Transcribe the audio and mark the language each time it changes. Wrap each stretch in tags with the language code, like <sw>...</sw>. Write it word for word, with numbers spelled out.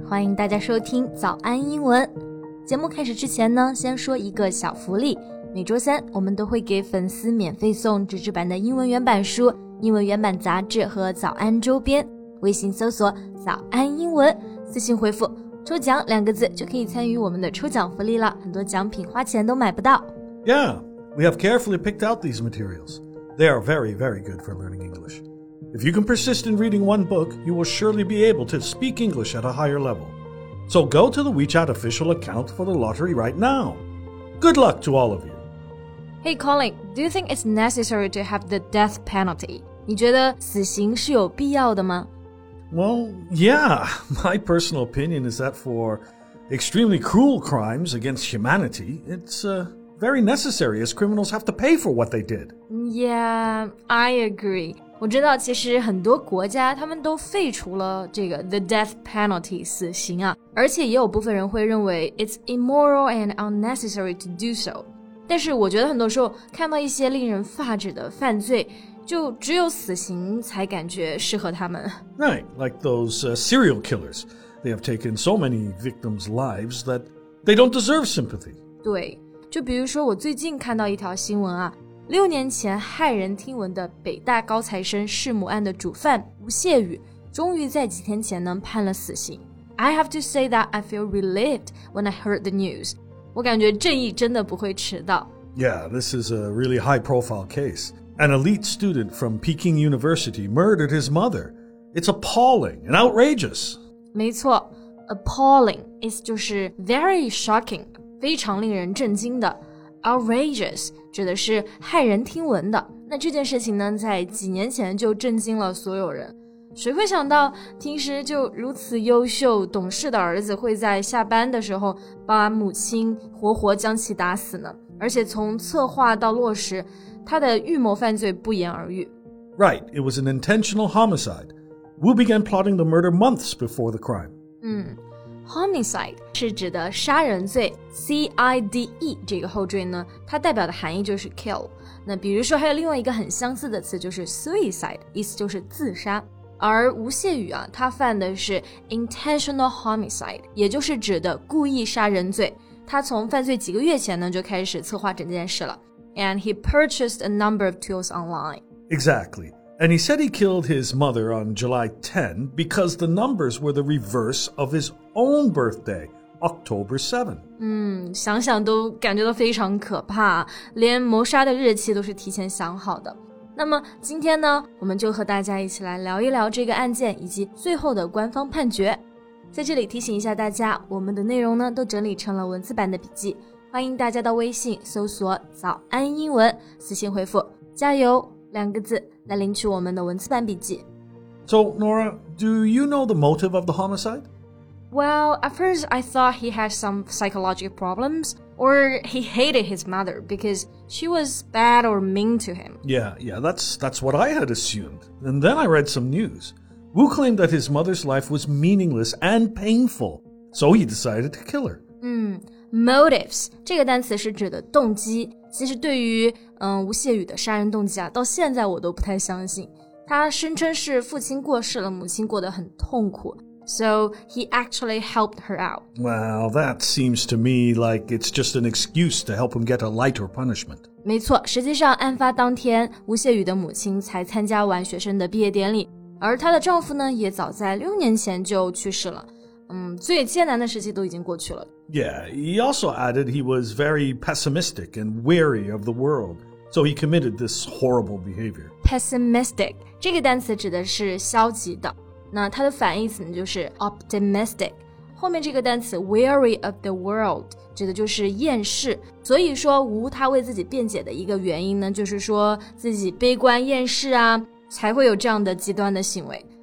<zh>欢迎大家收听早安英文。节目开始之前呢，先说一个小福利。每周三，我们都会给粉丝免费送纸质版的英文原版书、英文原版杂志和早安周边。微信搜索“早安英文”，私信回复“抽奖”两个字就可以参与我们的抽奖福利了。很多奖品花钱都买不到。</zh> <en>Yeah, we have carefully picked out these materials. They are very, very good for learning English. If you can persist in reading one book, you will surely be able to speak English at a higher level. So go to the WeChat official account for the lottery right now. Good luck to all of you. Hey, Colin, do you think it's necessary to have the death penalty?</en> <zh>你觉得死刑是有必要的吗？</zh> <en>Well, yeah. My personal opinion is that for extremely cruel crimes against humanity, it's, uh... very necessary as criminals have to pay for what they did. Yeah, I agree.</en> <zh>我知道其实很多国家他们都废除了这个</zh> <en>the death penalty</en> <zh>死刑啊，而且也有部分人会认为</zh> <en>it's immoral and unnecessary to do so.</en> <zh>但是我觉得很多时候看到一些令人发指的犯罪，就只有死刑才感觉适合他们。</zh> <en>Right, like those、uh, serial killers. They have taken so many victims' lives that they don't deserve sympathy.</en> <zh>对。就比如说我最近看到一条新闻啊，六年前骇人听闻的北大高材生弑母案的主犯吴谢宇终于在几天前呢判了死刑。</zh> <en>I have to say that I feel relieved when I heard the news.</en> <zh>我感觉正义真的不会迟到。</zh> <en>Yeah, this is a really high-profile case. An elite student from Peking University murdered his mother. It's appalling and outrageous.</en> <zh>没错</zh> <en>appalling is</en> <zh>就是</zh> <en>very shocking.</en> <zh>非常令人震惊的 outrageous 指的是骇人听闻的。那这件事情呢，在几年前就震惊了所有人。谁会想到平时就如此优秀懂事的儿子会在下班的时候把母亲活活将其打死呢？而且从策划到落实，他的预谋犯罪不言而喻。</zh> <en>Right, it was an intentional homicide. Wu began plotting the murder months before the crime.</en> <zh>嗯。 Homicide 是指的杀人罪 C I D E 这个后缀呢，它代表的含义就是 kill。那比如说还有另外一个很相似的词就是 suicide， 意思就是自杀。而吴谢宇啊，他犯的是 intentional homicide， 也就是指的故意杀人罪。他从犯罪几个月前呢就开始策划整件事了。</zh> <en>And he purchased a number of tools online. Exactly. And he said he killed his mother on July tenth because the numbers were the reverse of his own birthday, October seventh.</en> <zh>嗯，想想都感觉到非常可怕，连谋杀的日期都是提前想好的。那么今天呢，我们就和大家一起来聊一聊这个案件以及最后的官方判决。在这里提醒一下大家，我们的内容呢都整理成了文字版的笔记，欢迎大家到微信搜索“早安英文”，私信回复“加油”两个字。来领取我们的文字版笔记。</zh> <en>So, Nora, do you know the motive of the homicide? Well, at first I thought he had some psychological problems, or he hated his mother because she was bad or mean to him. Yeah, yeah, that's, that's what I had assumed. And then I read some news. Wu claimed that his mother's life was meaningless and painful, so he decided to kill her.</en> <zh>嗯 motives 这个单词是指的动机。其实对于嗯吴谢宇的杀人动机啊，到现在我都不太相信。他声称是父亲过世了，母亲过得很痛苦。</zh> <en>So he actually helped her out. Well, that seems to me like it's just an excuse to help him get a lighter punishment.</en> <zh>没错，实际上案发当天，吴谢宇的母亲才参加完学生的毕业典礼，而她的丈夫呢，也早在六年前就去世了。嗯，最艰难的时期都已经过去了。</zh> <en>Yeah, he also added he was very pessimistic and wary of the world, so he committed this horrible behavior.</en> <zh>Pessimistic 这个单词指的是消极的，那它的反义词呢就是 optimistic。后面这个单词</zh> <en>wary of the world</en> <zh>指的就是厌世，所以说吴他为自己辩解的一个原因呢，就是说自己悲观厌世啊，才会有这样的极端的行为。</zh>